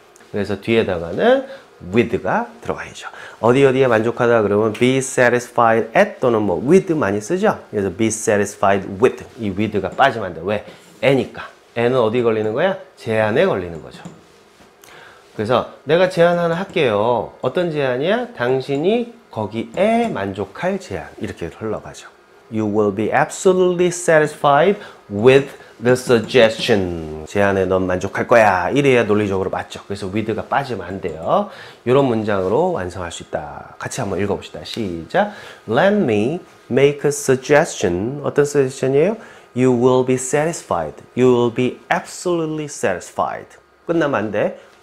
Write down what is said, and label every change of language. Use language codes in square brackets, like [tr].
[ko] 그래서 뒤에다가는 with가 들어가야죠. 어디 어디에 만족하다 그러면 be satisfied at 또는 뭐 with 많이 쓰죠. 그래서 be satisfied with 이 with가 빠지면 안 돼. 왜? 애니까. 애는 어디 걸리는 거야? 제안에 걸리는 거죠. 그래서 내가 제안 하나 할게요. 어떤 제안이야? 당신이 거기에 만족할 제안. 이렇게 흘러가죠. [en] You will be absolutely satisfied with the suggestion. [ko] 제안에 넌 만족할 거야. 이래야 논리적으로 맞죠. 그래서 with가 빠지면 안 돼요. 이런 문장으로 완성할 수 있다. 같이 한번 읽어봅시다. 시작. [en] Let me make a suggestion. [ko] 어떤 suggestion이에요? [en] You will be satisfied. You will be absolutely satisfied. [ko] 끝나면 안 돼.